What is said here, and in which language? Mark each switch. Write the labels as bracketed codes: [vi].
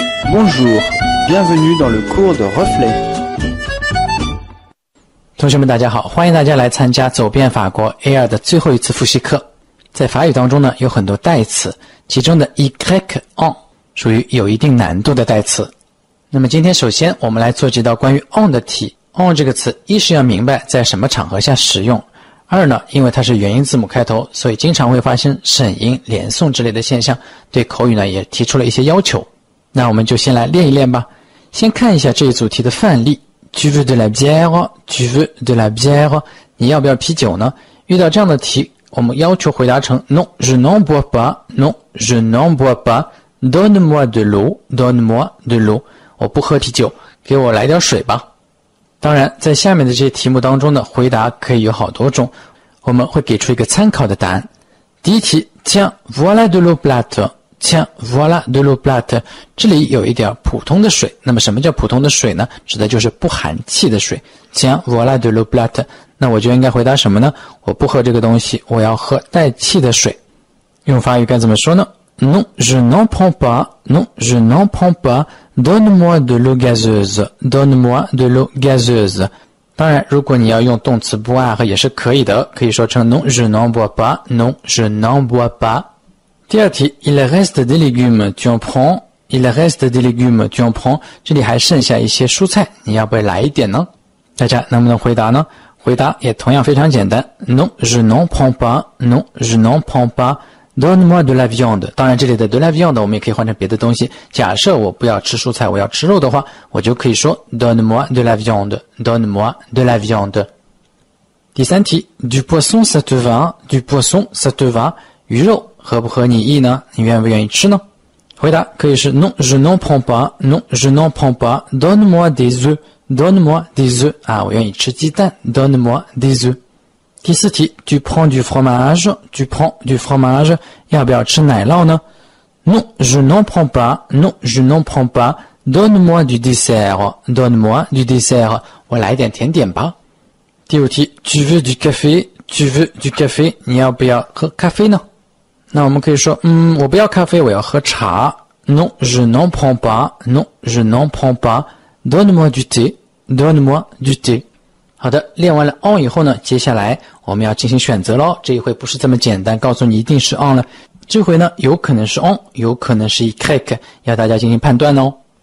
[fr] Bonjour, bienvenue dans le cours de reflet. [zh] 同学们大家好，欢迎大家来参加走遍法国 A2 的最后一次复习课。在法语当中呢，有很多代词，其中的 y-en 属于有一定难度的代词。那么今天首先我们来做几道关于 en 的题。en 这个词，一是要明白在什么场合下使用，二呢，因为它是元音字母开头，所以经常会发生省音、连诵之类的现象，对口语呢也提出了一些要求。那我们就先来练一练吧。先看一下这一组题的范例。 [fr] Tu veux de la bière? Tu veux de la bière? [zh] 你要不要啤酒呢？遇到这样的题，我们要求回答成 [fr] Non, je n'en bois pas. Non, je n'en bois pas. Donne-moi de l'eau. Donne-moi de l'eau. [zh] 我不喝啤酒，给我来点水吧。当然，在下面的这些题目当中呢，回答可以有好多种，我们会给出一个参考的答案。第一题， [fr] Tiens, voilà de l'eau plate. Tiens, voilà de l'eau plate. [zh] 这里有一点普通的水。那么什么叫普通的水呢？指的就是不含气的水。 [fr] Tiens, voilà de l'eau plate. [zh] 那我就应该回答什么呢？我不喝这个东西，我要喝带气的水。用法语该怎么说呢？ [fr] Non, je n'en prends pas. Non, je n'en prends pas. Donne-moi de l'eau gazeuse. Donne-moi de l'eau gazeuse. [zh] 当然，如果你要用动词 boire 也是可以的，可以说成 [fr] Non, je n'en bois pas. Non, je n'en bois pas. [zh] 第二题， [fr] il reste des légumes, tu en prends? Il reste des légumes, tu en prends? [zh] 这里还剩下一些蔬菜，你要不要来一点呢？大家能不能回答呢？回答也同样非常简单。 [fr] Non, je n'en prends pas. Non, je n'en prends pas. Donne-moi de la viande. [zh] 当然这里的 de la viande 我们也可以换成别的东西。假设我不要吃蔬菜，我要吃肉的话，我就可以说 [fr] Donne-moi de la viande. Donne-moi de la viande. [zh] 第三题， [fr] du poisson, ça te va? Du poisson, ça te va? [zh] 鱼肉合不合你意呢？你愿不愿意吃呢？回答可以是 [fr] Non, je n'en prends pas. Non, je n'en prends pas. Donne-moi des œufs. Donne-moi des œufs. [zh] 啊，我愿意吃鸡蛋。 [fr] Donne-moi des œufs. [zh] 第四题， [fr] Tu prends du fromage? Tu prends du fromage? [zh] 要不要吃奶酪呢？ [fr] Non, je n'en prends pas. Non, je n'en prends pas. Donne-moi du dessert. Donne-moi du dessert. [zh] 我来点甜点吧。第五题， [fr] Tu veux du café? Tu veux du café? [zh] 你要不要喝咖啡呢？那我们可以说，我不要咖啡，我要喝茶。 [fr] Non, je n'en prends pas. Non, je n'en prends pas. Donne-moi du thé. Donne-moi du thé. [zh] 好的，练完了 on 以后呢，接下来我们要进行选择咯。这一回不是这么简单，告诉你一定是 on 了。这回呢，有可能是 on， 有可能是 crack， 要大家进行判断哦。